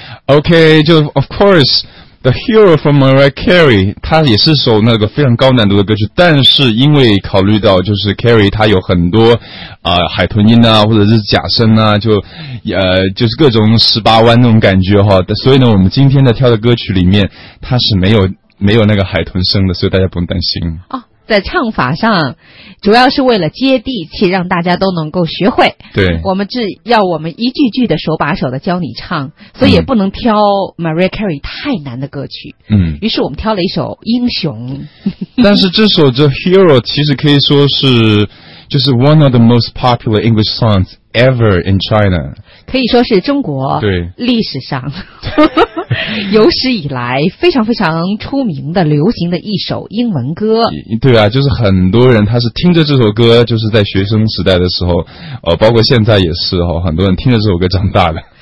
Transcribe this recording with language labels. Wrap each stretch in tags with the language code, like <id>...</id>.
<zh>OK, 就</zh> <en>of course, the hero from Mariah Carey,</en> <zh>他也是首那个非常高难度的歌曲，但是因为考虑到就是 Carey 他有很多海豚音啊或者是假声啊，就是各种十八弯那种感觉齁、哦、所以呢我们今天的挑的歌曲里面他是没有那个海豚声的，所以大家不用担心。哦在唱法上主要是为了接地气，让大家都能够学会。对，我们只要我们一句句的手把手的教你唱，所以也不能挑 Mariah Carey 太难的歌曲。嗯，于是我们挑了一首英雄。但是这首 The Hero 其实可以说是就是</zh> <en>one of the most popular English songs ever in China,</en> <zh>可以说是中国历史上有史以来非常非常出名的流行的一首英文歌。对啊，就是很多人他是听着这首歌，就是在学生时代的时候包括现在也是很多人听着这首歌长大的。</zh>